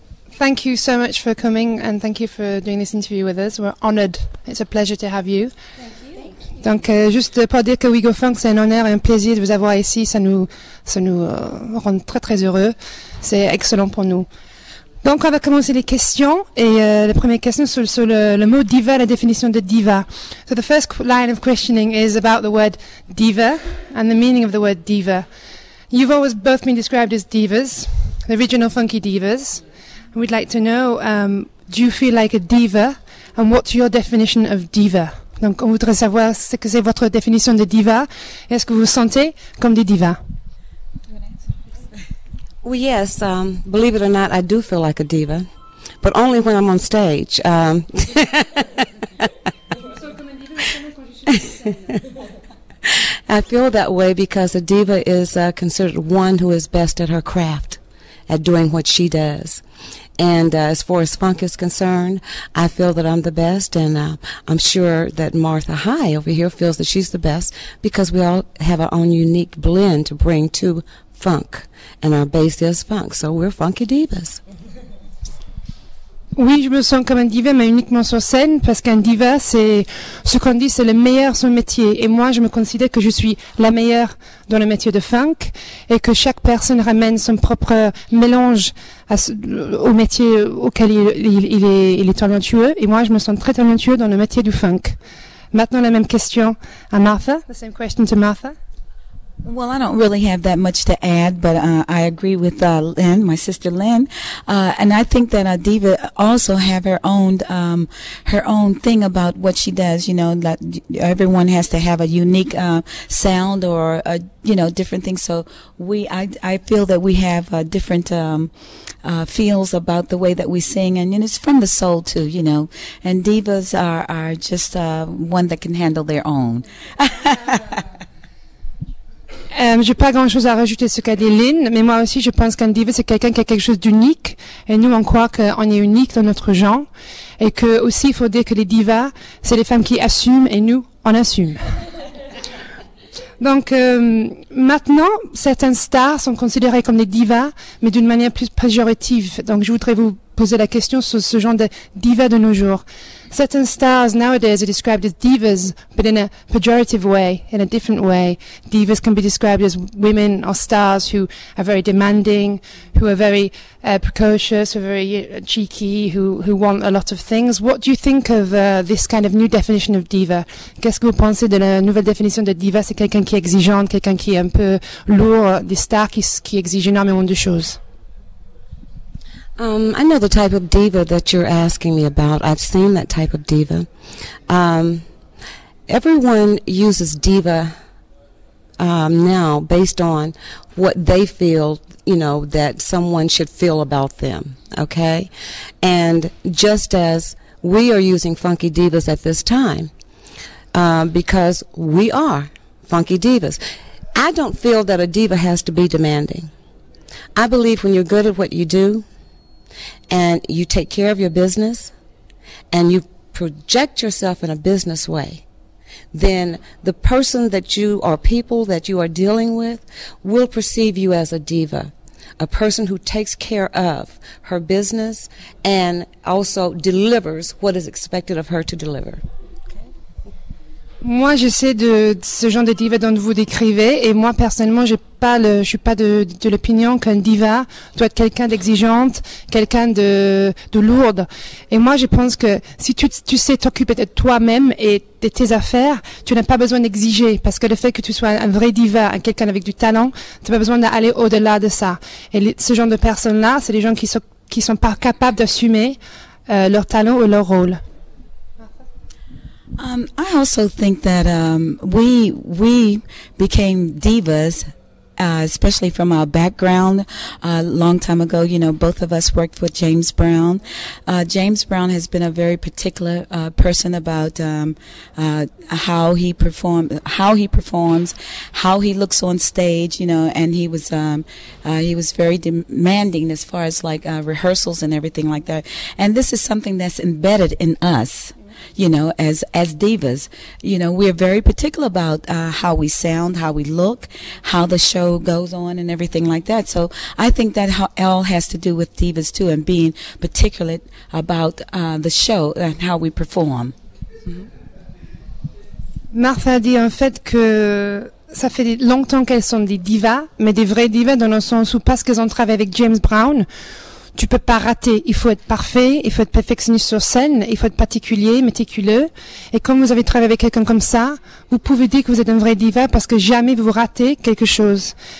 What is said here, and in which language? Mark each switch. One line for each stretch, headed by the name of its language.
English: Thank you so much for coming, and thank you for doing this interview with us. We're honored. It's a pleasure to have you. Thank you.
French: Donc, juste pour dire que Wigofunk, c'est un honneur et un plaisir de vous avoir ici. Ça nous rend très, très heureux. C'est excellent pour nous. Donc, on va commencer les questions. Et la première question sur le mot diva, la définition de diva.
English: So, the first line of questioning is about the word diva and the meaning of the word diva. You've always both been described as divas, the original funky divas. We'd like to know, do you feel like a diva? And what's your definition of diva?
French: Donc, on voudrait savoir ce que c'est votre définition de diva. Est-ce que vous vous sentez comme des divas?
English: Well, yes, believe it or not, I do feel like a diva. But only when I'm on stage. I feel that way because a diva is considered one who is best at her craft, at doing what she does. And as far as funk is concerned, I feel that I'm the best, and I'm sure that Martha High over here feels that she's the best because we all have our own unique blend to bring to funk, and our bass is funk, so we're funky divas.
French: Oui, je me sens comme un diva, mais uniquement sur scène, parce qu'un diva, c'est ce qu'on dit, c'est le meilleur sur le métier. Et moi, je me considère que je suis la meilleure dans le métier de funk, et que chaque personne ramène son propre mélange au métier auquel il est talentueux. Et moi, je me sens très talentueux dans le métier du funk. Maintenant, la même question à Martha.
English: The same question to Martha. Well, I don't really have that much to add, but I agree with Lynn, my sister Lynn, and I think that diva also have her own thing about what she does. You know, that everyone has to have a unique sound or different things. So I feel that we have different feels about the way that we sing, and it's from the soul too. You know, and divas are just one that can handle their own.
French: J'ai pas grand chose à rajouter sur ce qu'a dit Lynn, mais moi aussi je pense qu'un diva c'est quelqu'un qui a quelque chose d'unique, et nous on croit qu'on est unique dans notre genre, et que aussi il faut dire que les divas c'est les femmes qui assument et nous on assume. Donc maintenant certaines stars sont considérées comme des divas, mais d'une manière plus péjorative. Donc je voudrais vous poser la question sur ce genre de diva de nos jours.
English: Certain stars nowadays are described as divas, but in a pejorative way, in a different way. Divas can be described as women or stars who are very demanding, who are very precocious, who are very cheeky, who want a lot of things. What do you think of this kind of new definition of diva?
French: Qu'est-ce que vous pensez de la nouvelle définition de diva? C'est quelqu'un qui est exigeante, quelqu'un qui est un peu lourd, des stars qui exigent énormément de choses.
English: I know the type of diva that you're asking me about. I've seen that type of diva. Everyone uses diva now based on what they feel, you know, that someone should feel about them, okay? And just as we are using funky divas at this time, because we are funky divas, I don't feel that a diva has to be demanding. I believe when you're good at what you do, and you take care of your business, and you project yourself in a business way, then the person that you are, people that you are dealing with, will perceive you as a diva, a person who takes care of her business and also delivers what is expected of her to deliver.
French: Moi, j'essaie de ce genre de diva dont vous décrivez, et moi personnellement, je suis pas de l'opinion qu'un diva doit être quelqu'un d'exigeante, quelqu'un de lourde. Et moi, je pense que si tu sais t'occuper de toi-même et de tes affaires, tu n'as pas besoin d'exiger, parce que le fait que tu sois un vrai diva, quelqu'un avec du talent, tu n'as pas besoin d'aller au-delà de ça. Et ce genre de personnes-là, c'est des gens qui sont pas capables d'assumer leur talent ou leur rôle.
English: I also think that we became divas, especially from our background, a long time ago. You know, both of us worked with James Brown. James Brown has been a very particular person about how he performs, how he looks on stage. You know, and he was very demanding as far as like rehearsals and everything like that. And this is something that's embedded in us. you know, as divas. You know, we are very particular about how we sound, how we look, how the show goes on and everything like that. So I think that all has to do with divas too, and being particular about the show and how we perform. Mm-hmm.
French: Martha dit en fait que ça fait longtemps qu'elles sont des divas, mais des vraies divas dans le sens où parce qu'elles ont travaillé avec James Brown, tu peux pas rater, il faut être parfait, il faut être perfectionniste sur scène, il faut être particulier, méticuleux. Et quand vous avez travaillé avec quelqu'un comme ça, vous pouvez dire que vous êtes un vrai diva parce que jamais vous ratez quelque chose.